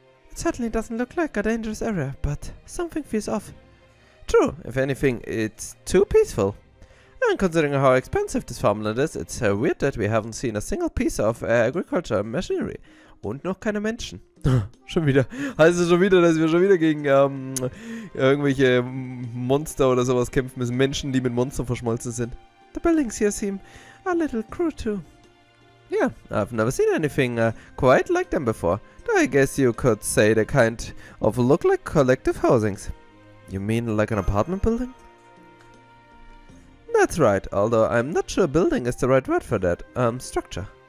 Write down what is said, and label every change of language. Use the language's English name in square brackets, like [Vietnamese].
[English] It certainly doesn't look like a dangerous area, but something feels off. True, if anything, it's too peaceful. And considering how expensive this farmland is, it's weird that we haven't seen a single piece of agriculture machinery. [German] Und noch keine Menschen. Schon wieder. Heißt es schon wieder, dass wir schon wieder gegen irgendwelche Monster oder sowas kämpfen müssen. Menschen, die mit Monstern verschmolzen sind. [English] The buildings here seem a little crude too. Yeah, I've never seen anything quite like them before. Though I guess you could say they kind of look like collective housings. You mean like an apartment building? That's right, although I'm not sure building is the right word for that, structure.